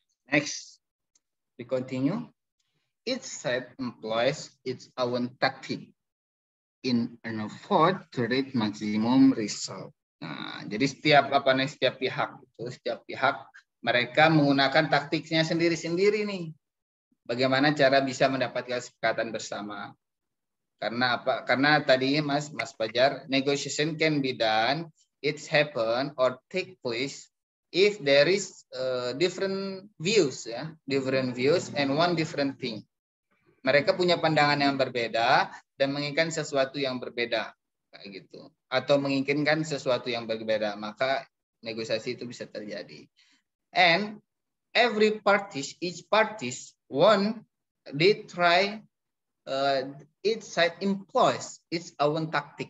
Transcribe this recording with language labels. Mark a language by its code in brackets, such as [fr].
[en] Next, we continue. Each side employs its own tactic in an effort to reach maximum result. [id] Nah, jadi setiap pihak mereka menggunakan taktiknya sendiri-sendiri nih. Bagaimana cara bisa mendapatkan kesepakatan bersama? Karena apa? Karena tadi [en] Mas Fajar, negotiation can be done, it's happen or take place if there is different views ya, different views and one different thing. [id] Mereka punya pandangan yang berbeda dan menginginkan sesuatu yang berbeda kayak gitu. Atau menginginkan sesuatu yang berbeda, maka negosiasi itu bisa terjadi. [en] And every parties, each parties one, they try, each side employs its own tactic.